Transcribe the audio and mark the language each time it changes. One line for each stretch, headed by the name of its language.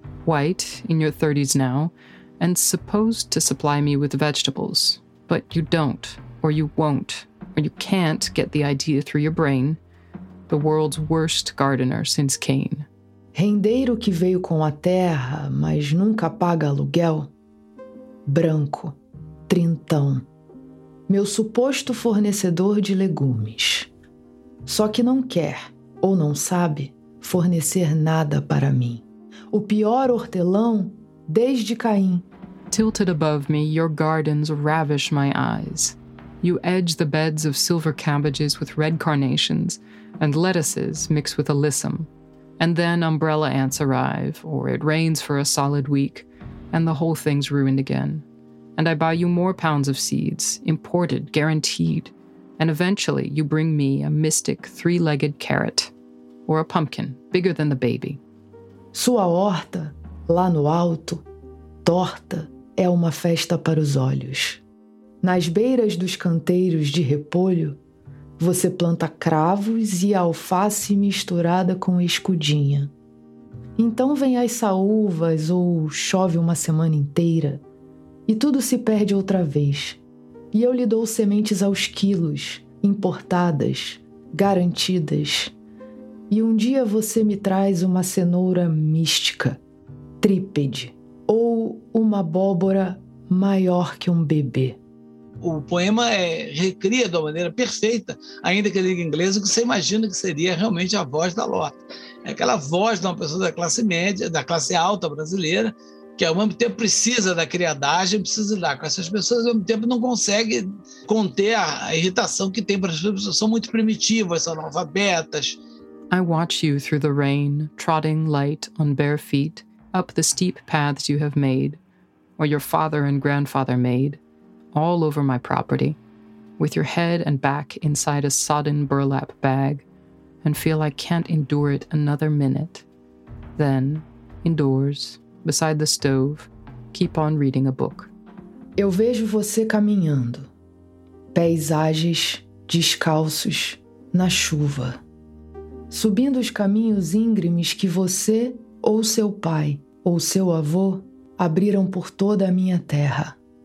English: White, in your 30s now, and supposed to supply me with vegetables. But you don't, or you won't, or you can't get the idea through your brain. The world's worst gardener since Cain.
Portuguese: Rendeiro que veio com a terra, mas nunca paga aluguel. Branco, trintão. Meu suposto fornecedor de legumes. Só que não quer, ou não sabe, fornecer nada para mim. O pior hortelão desde Caim.
English: Tilted above me, your gardens ravish my eyes. You edge the beds of silver cabbages with red carnations and lettuces mixed with alyssum. And then umbrella ants arrive, or it rains for a solid week, and the whole thing's ruined again. And I buy you more pounds of seeds, imported, guaranteed. And eventually you bring me a mystic three-legged carrot, or a pumpkin, bigger than the baby.
Portuguese: Sua horta, lá no alto, torta, é uma festa para os olhos. Nas beiras dos canteiros de repolho, você planta cravos e alface misturada com escudinha. Então vem as saúvas ou chove uma semana inteira e tudo se perde outra vez. E eu lhe dou sementes aos quilos, importadas, garantidas. E um dia você me traz uma cenoura mística, trípede, ou uma abóbora maior que um bebê. O poema recria de uma maneira perfeita, ainda que língua inglesa, o que você imagina que seria realmente a voz da Lota. É aquela voz de uma pessoa da classe média, da classe alta brasileira, que ao mesmo tempo precisa da criadagem, precisa lidar com essas pessoas, ao mesmo tempo não consegue conter a irritação que tem para as pessoas. São muito primitivas, são analfabetas.
English: I watch you through the rain, trotting light on bare feet, up the steep paths you have made, or your father and grandfather made, all over my property, with your head and back inside a sodden burlap bag, and feel I can't endure it another minute. Then, indoors, beside the stove, keep on reading a book.
Portuguese: Eu vejo você caminhando, pés ágeis, descalços, na chuva, subindo os caminhos íngremes que você ou seu pai ou seu avô abriram por toda a minha terra.